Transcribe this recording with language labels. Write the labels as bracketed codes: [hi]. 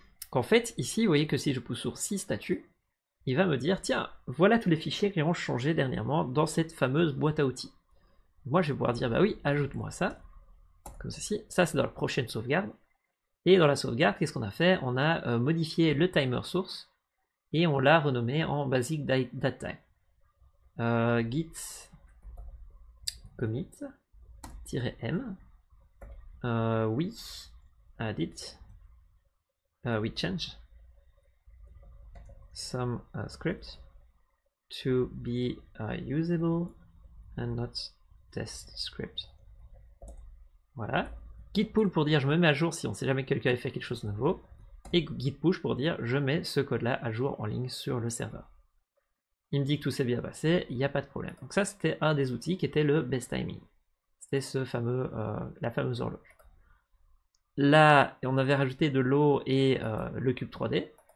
[fr] Qu'en fait, ici, vous voyez que si je pousse sur 6 statuts, il va me dire, tiens, voilà tous les fichiers qui ont changé dernièrement dans cette fameuse boîte à outils. Moi, je vais pouvoir dire, bah oui, ajoute-moi ça, comme ceci. Ça, c'est dans la prochaine sauvegarde. Et dans la sauvegarde, qu'est-ce qu'on a fait? On a modifié le timer source et on l'a renommé en basic datetime. [en] Git commit-m we added we change some script to be usable and not test script. [fr] Voilà. Git pull pour dire je me mets à jour si on sait jamais que quelqu'un a fait quelque chose de nouveau. Et git push pour dire je mets ce code-là à jour en ligne sur le serveur. Il me dit que tout s'est bien passé, il n'y a pas de problème. Donc ça, c'était un des outils qui était le best timing. C'était ce fameux, la fameuse horloge. Là, on avait rajouté de l'eau et le cube 3D.